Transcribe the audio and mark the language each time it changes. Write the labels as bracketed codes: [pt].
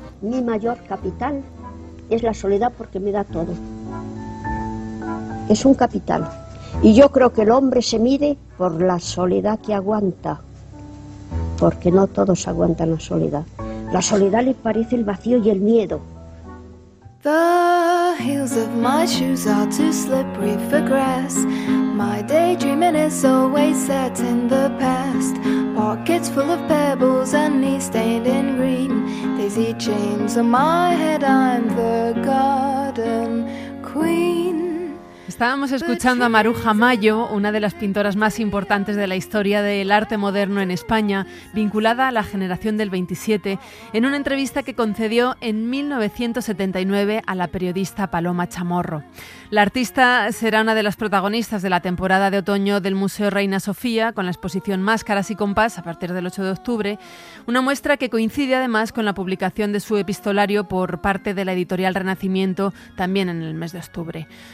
[es] Mi mayor capital es la soledad porque me da todo. Es un capital. Y yo creo que el hombre se mide por la soledad que aguanta. Porque no todos aguantan la soledad. La soledad les parece el vacío y el miedo. [en] The heels of my shoes are too slippery for grass. My daydreaming is always set in the past. Pockets full of pebbles and knees stained in green. Daisy chains on my head, I'm the garden queen. [es] Estábamos escuchando a Maruja Mallo, una de las pintoras más importantes de la historia del arte moderno en España, vinculada a la generación del 27, en una entrevista que concedió en 1979 a la periodista Paloma Chamorro. La artista será una de las protagonistas de la temporada de otoño del Museo Reina Sofía, con la exposición Máscaras y Compás a partir del 8 de octubre, una muestra que coincide además con la publicación de su epistolario por parte de la editorial Renacimiento, también en el mes de octubre.